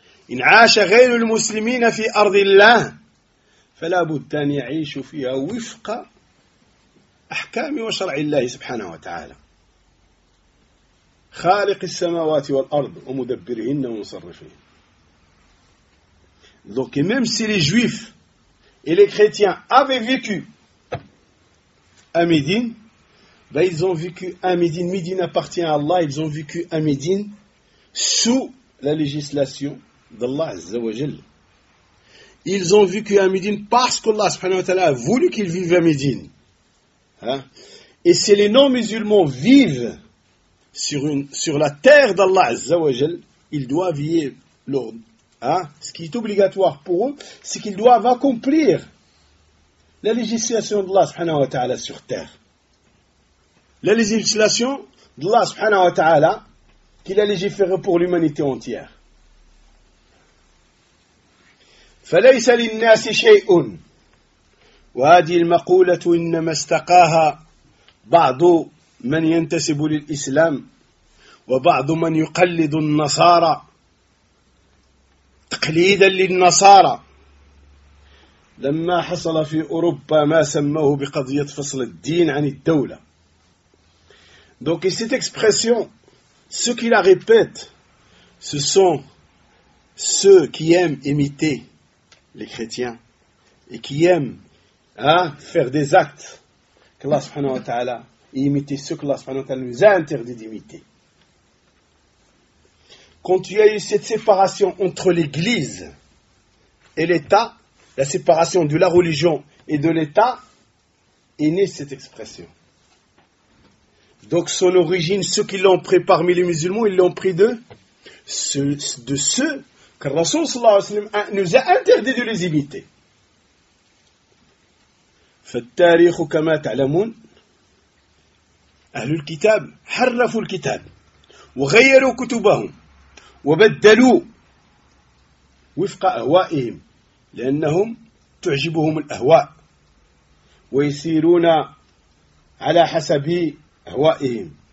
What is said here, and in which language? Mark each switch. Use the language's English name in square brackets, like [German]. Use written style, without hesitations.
[Arabic] إن عاش غير المسلمين في أرض الله فلا بد أن يعيشوا فيها وفق أحكام وشرع الله سبحانه وتعالى خالق السماوات والأرض ومدبرهن ومصرفهن. [French] Donc même si les juifs et les chrétiens avaient vécu à Médine, ils ont vécu à Médine. Médine appartient à Allah. Ils ont vécu à Médine sous la législation d'Allah Azza wa Jal. Ils ont vécu à Médine parce qu'Allah subhanahu wa ta'ala a voulu qu'ils vivent à Médine. Hein? Et si les non-musulmans vivent sur la terre d'Allah Azza wa Jal, ils doivent y être l'ordre. Hein? Ce qui est obligatoire pour eux, c'est qu'ils doivent accomplir la législation d'Allah subhanahu wa ta'ala sur terre. La législation d'Allah subhanahu wa ta'ala qu'il a légiféré pour l'humanité entière. [Arabic] فليس للناس شيء وهذه المقولة إنما استقاها بعض من ينتسب للإسلام وبعض من يقلد النصارى تقليدا للنصارى لما حصل في أوروبا ما سموه بقضية فصل الدين عن الدولة. [French] Donc cette expression, ceux qui la répètent, ce sont ceux qui aiment imiter les chrétiens et qui aiment faire des actes qu'Allah subhanahu wa ta'ala et imiter ceux qu'Allah subhanahu wa ta'ala nous a interdit d'imiter. Quand il y a eu cette séparation entre l'Église et l'État, la séparation de la religion et de l'État, est née cette expression. Donc son origine, ceux qui l'ont pris parmi les musulmans, ils l'ont pris d'eux, de ceux que le Rasoul sallallahu alayhi wa sallam nous a interdit de les imiter. [Arabic] فالتاريخ كما تعلمون أهل الكتاب حرفوا الكتاب وغيروا كتبهم وبدلوا وفق أهوائهم لأنهم تعجبهم الأهواء ويسيرون على حسب أهوائهم